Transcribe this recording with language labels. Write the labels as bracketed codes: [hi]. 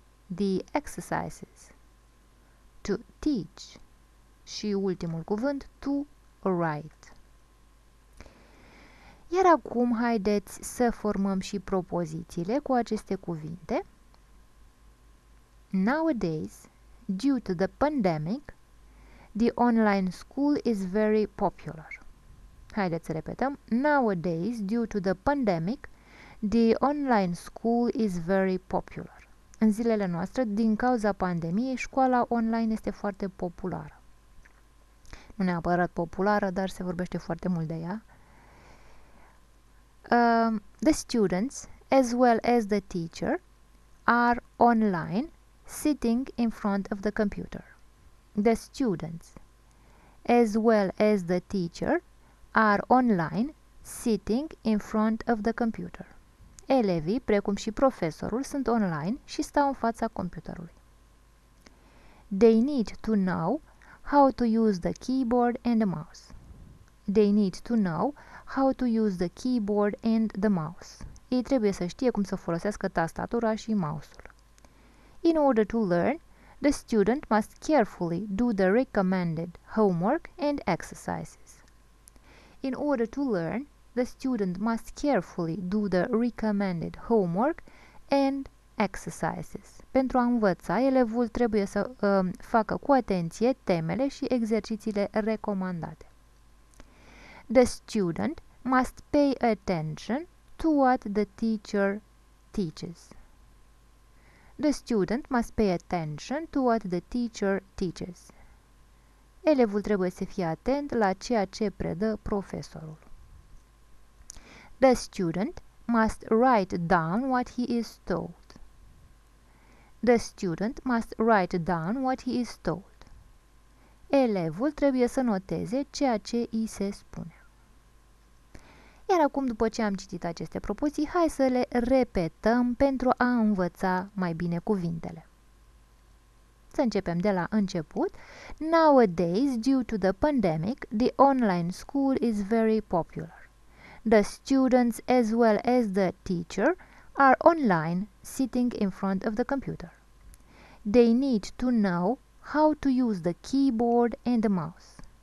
[en] The exercises. To teach. [ro] Și ultimul cuvânt, [en] to write. [ro] Iar acum haideți să formăm și propozițiile cu aceste cuvinte. [en] Nowadays, due to the pandemic, the online school is very popular. [ro] Haideți să repetăm. [en] Nowadays, due to the pandemic, the online school is very popular. [ro] În zilele noastre, din cauza pandemiei, școala online este foarte populară. Nu neapărat populară, dar se vorbește foarte mult de ea. [en] The students, as well as the teacher, are online, sitting in front of the computer. The students, as well as the teacher, are online, sitting in front of the computer. [ro] Elevii, precum și profesorul, sunt online și stau în fața computerului. [en] They need to know how to use the keyboard and the mouse. They need to know how to use the keyboard and the mouse. [ro] Ei trebuie să știe cum să folosească tastatura și mouse-ul. [en] In order to learn, the student must carefully do the recommended homework and exercises. In order to learn, the student must carefully do the recommended homework and exercises. [ro] Pentru a învăța, elevul trebuie să facă cu atenție temele și exercițiile recomandate. [en] The student must pay attention to what the teacher teaches. The student must pay attention to what the teacher teaches. [ro] Elevul trebuie să fie atent la ceea ce predă profesorul. [en] The student must write down what he is told. The student must write down what he is told. [ro] Elevul trebuie să noteze ceea ce îi se spune. Iar acum, după ce am citit aceste propoziții, hai să le repetăm pentru a învăța mai bine cuvintele. Să începem de la început. [en] Nowadays, due to the pandemic, the online school is very popular. The students as well as the teacher are online, sitting in front of the computer. They need to know how to use the keyboard and the mouse.